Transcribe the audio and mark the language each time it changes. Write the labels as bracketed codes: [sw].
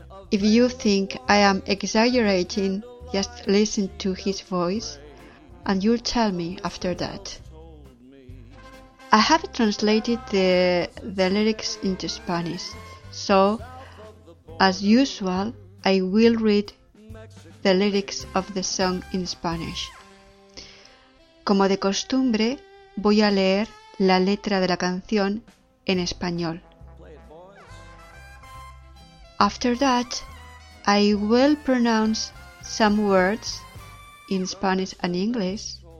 [en] If you think I am exaggerating, just listen to his voice and you'll tell me after that. I have translated the lyrics into Spanish, so as usual I will read the lyrics of the song in Spanish. [es] Como de costumbre, voy a leer la letra de la canción en español. [en] After that, I will pronounce some words in Spanish and English.